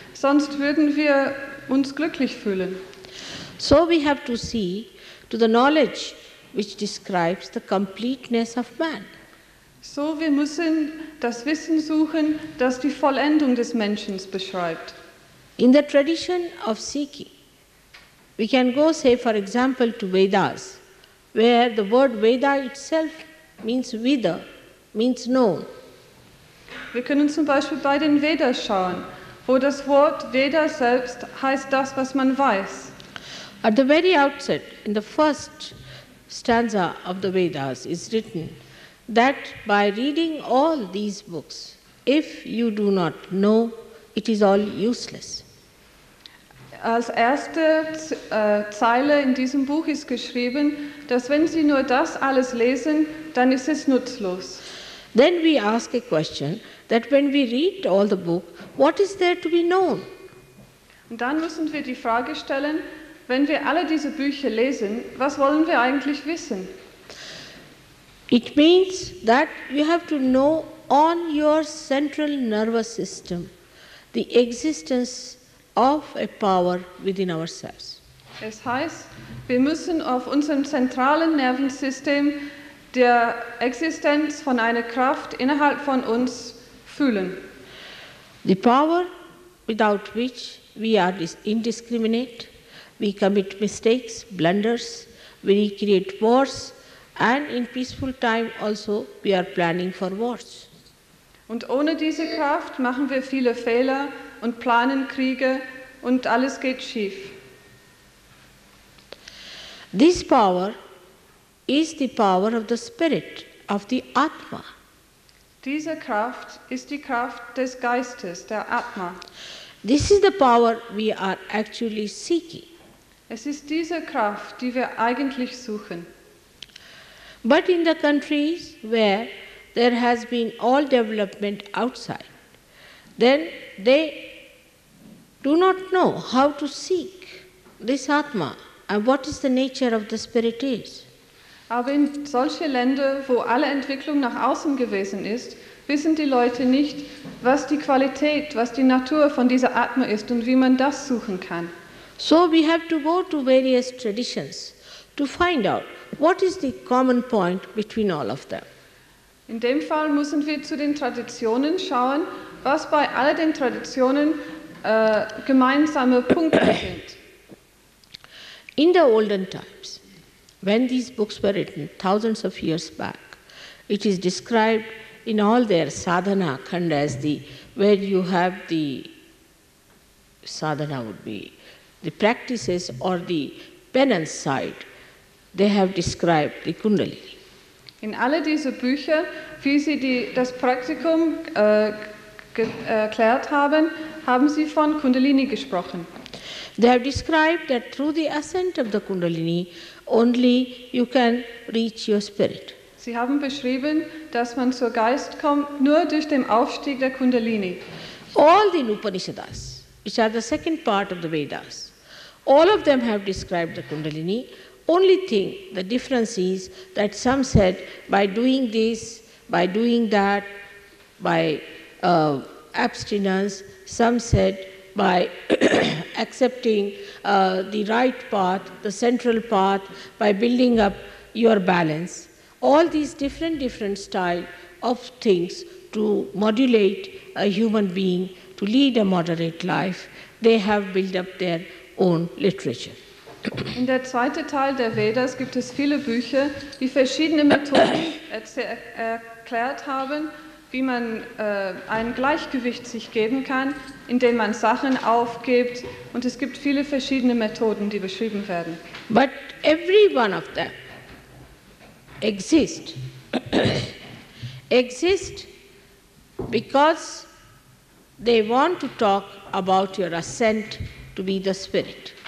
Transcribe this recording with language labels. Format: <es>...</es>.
<de>Sonst würden wir uns glücklich fühlen.</de> <en>So we have to see to the knowledge which describes the completeness of man.</en> <de>So wir müssen das Wissen suchen, das die Vollendung des Menschen beschreibt.</de> <en>In the tradition of Sikhi, we can go, say, for example, to Vedas, where the word Veda itself means Vida, means known.</en> <de>Wir können zum Beispiel bei den Vedas schauen, wo das Wort Veda selbst heißt das, was man weiß.</de> <en>At the very outset, in the first stanza of the Vedas, is written that by reading all these books, if you do not know, it is all useless.</en> <de>Als erste Zeile in diesem Buch ist geschrieben, dass wenn Sie nur das alles lesen, dann ist es nutzlos.</de> <en>Then we ask a question, that when we read all the book, what is there to be known?</en> <de>Und dann müssen wir die Frage stellen, wenn wir alle diese Bücher lesen, was wollen wir eigentlich wissen?</de> <en>It means that you have to know on your central nervous system the existence of a power within ourselves.</en> <de>Es heißt, wir müssen auf unserem zentralen Nervensystem der Existenz von einer Kraft innerhalb von uns fühlen.</de> <en>The power without which we are indiscriminate, we commit mistakes, blunders, we create wars, and in peaceful time also we are planning for wars.</en> <de>Und ohne diese Kraft machen wir viele Fehler und planen Kriege und alles geht schief.</de> <en>This power is the power of the spirit, of the Atma.</en> <de>Diese Kraft ist die Kraft des Geistes, der Atma.</de> <en>This is the power we are actually seeking.</en> <de>Es ist diese Kraft, die wir eigentlich suchen.</de> <en>But in the countries where there has been all development outside, then they do not know how to seek this Atma and what is the nature of the spirit is.</en> <de>Aber in solche Länder, wo alle Entwicklung nach außen gewesen ist, wissen die Leute nicht, was die Qualität, was die Natur von dieser Atma ist und wie man das suchen kann.</de> <en>So we have to go to various traditions to find out what is the common point between all of them.</en> <de>In dem Fall müssen wir zu den Traditionen schauen, was bei all den Traditionen gemeinsame Punkte sind.</de> <en>In the olden times, when these books were written thousands of years back, it is described in all their sadhana khanda as the where you have the sadhana would be the practices or the penance side. They have described the kundalini.</en> <de>In alle diese Bücher, wie sie die, das Praktikum erklärt haben, haben sie von Kundalini gesprochen.</de> <en>They have described that through the ascent of the Kundalini, only you can reach your spirit.</en> <de>Sie haben beschrieben, dass man zur Geist kommt nur durch den Aufstieg der Kundalini.</de> <en>All the Upanishads, which are the second part of the Vedas, all of them have described the Kundalini. Only thing, the difference is that some said by doing this, by doing that, by abstinence, some said by accepting the right path, the central path, by building up your balance. All these different style of things to modulate a human being, to lead a moderate life, they have built up their own literature.</en> <de>In der zweite Teil der Vedas gibt es viele Bücher, die verschiedene Methoden erklärt haben, wie man ein Gleichgewicht sich geben kann, indem man Sachen aufgibt, und es gibt viele verschiedene Methoden, die beschrieben werden.</de> <en>But every one of them exist because they want to talk about your ascent to be the spirit.</en>